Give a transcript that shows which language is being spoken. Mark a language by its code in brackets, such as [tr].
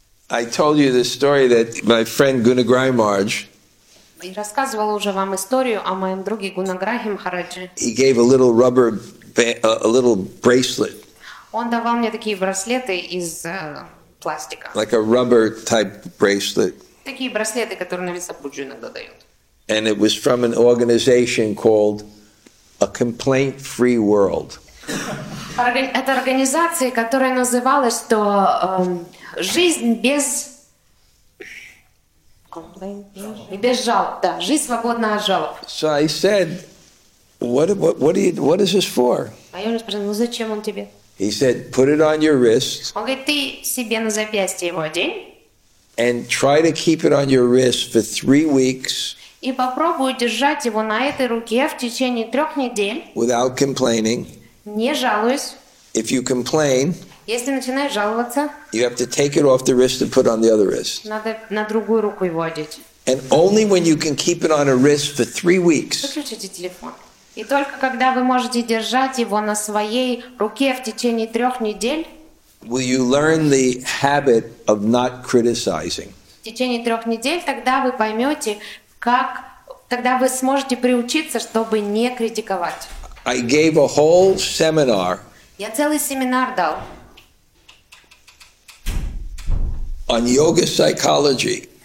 [en] I told you the story that my friend Gunagrahi Maharaj. [ru] Я рассказывала уже вам историю о моем друге Гунаграхи Махараджи. [en] He gave a little rubber band, a little bracelet. [ru] Он давал мне такие браслеты из пластика. [en] Like a rubber type bracelet. [ru] Такие браслеты, которые на весах Буджи иногда дают. [en] And it was from an organization called A Complaint-Free World. [ru] Это организация, которая называлась то жизнь без жалоб, да, жизнь свободна от жалоб. [en] So I said, what is this for? [ru] А я спросила, ну зачем он тебе? [en] He said, put it on your wrist. [ru] Он говорит, ты себе на запястье его одень. [en] And try to keep it on your wrist for 3 weeks. [ru] И попробуй держать его на этой руке в течение 3 недель. [en] Without complaining. [ru] Не жалуюсь. [en] If you complain, [ru] если начинаешь жаловаться, [en] you have to take it off the wrist and put on the other wrist. [ru] Надо на другую руку его одеть. [en] And only when you can keep it on a wrist for 3 weeks. [ru] Выключите телефон. И только когда вы можете держать его на своей руке в течение 3 недель, [en] will you learn the habit of not criticizing? [ru] В течение 3 недель тогда вы поймете, как тогда вы сможете приучиться, чтобы не критиковать. [en] I gave a whole seminar. [ru] Я целый семинар дал. [en] On yoga psychology.